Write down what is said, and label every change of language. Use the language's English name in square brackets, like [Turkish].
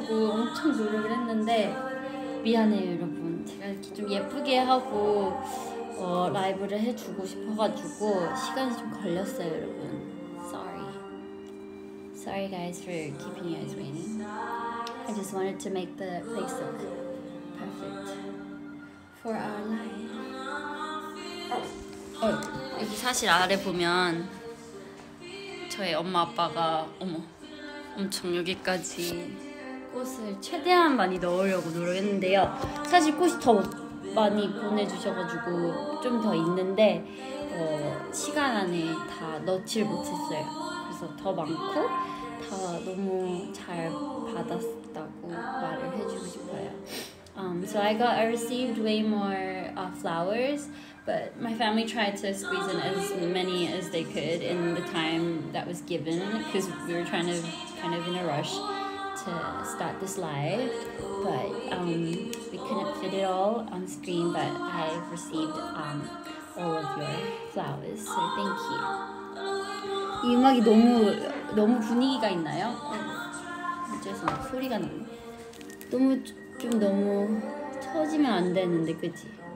[Korean] 엄청 노력을 했는데 미안해요 여러분. 제가 이렇게 좀 예쁘게 하고 라이브를 해주고 싶어가지고 시간이 좀 걸렸어요 여러분. [English] Sorry guys for keeping you guys waiting. I just wanted to make the place look perfect for our live. [Korean] 여기 사실 아래 보면 저희 엄마 아빠가 어머 엄청 여기까지 꽃을 최대한 많이 넣으려고 노력했는데요. 사실 꽃이 더 많이 보내주셔가지고 좀 더 있는데 시간 안에 다 넣질 못했어요. 그래서 더 많고 다 너무 잘 받았다고 말을 해주고 싶어요. [English] So I received way more flowers, but my family tried to squeeze in as many as they could in the time that was given because we were trying to kind of in a rush. To start this live, but we couldn't fit it all on screen. But I've received all of your flowers, so thank you. [Korean] 이 음악이 너무 분위기가 있나요? 죄송 소리가 너무 너무 좀 너무 처지면 안 되는데 그치?